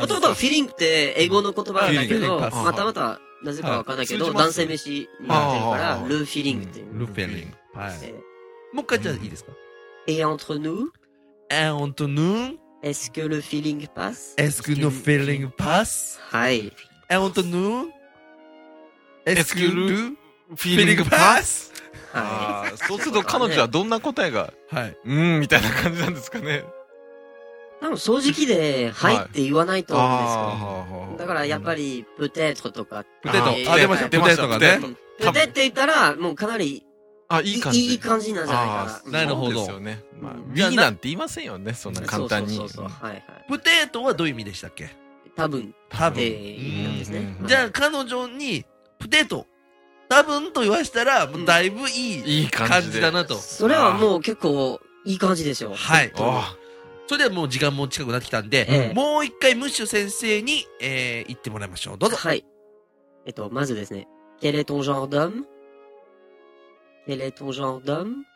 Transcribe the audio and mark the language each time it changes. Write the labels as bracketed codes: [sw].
[ja] もともとフィーリングって英語の言葉だけど、またまた。なぜかわかんないけど、はい、男性飯になってるから、ルーフィリングっていう。ルーフィリング。はい。もう一回じゃあいいですか、 [fr] Et entre nous? Et entre nous? Est-ce que le feeling passe? Est-ce que le feeling passe? [ja] はい。 [fr] Et entre nous? Est-ce que le feeling passe? [ja] はい。そうすると彼女はどんな答えが、はい。みたいな感じなんですかね。多分正直で、はいって言わないと思うんですけど、はい。だからやっぱり、プテートとか。プテート、出ました、プテートがね。プテって言ったら、もうかなり、あ、いい感じ。いい感じなんじゃないかな。なるほど。そうですよね。まあ、ウィーなんて言いませんよね、そんな簡単に。そうそうそう。はいはい。プテートはどういう意味でしたっけ？多分。じゃあ、彼女に、プテート、多分と言わしたら、うん、だいぶいい感じだなと。いい、それはもう結構いい感じでしょう。はい。それではもう時間も近くなってきたんで、もう一回ムッシュ先生に、言ってもらいましょう。どうぞ。はい。まずですね。 [fr] Quel est ton genre d'homme? Quel est ton genre d'homme?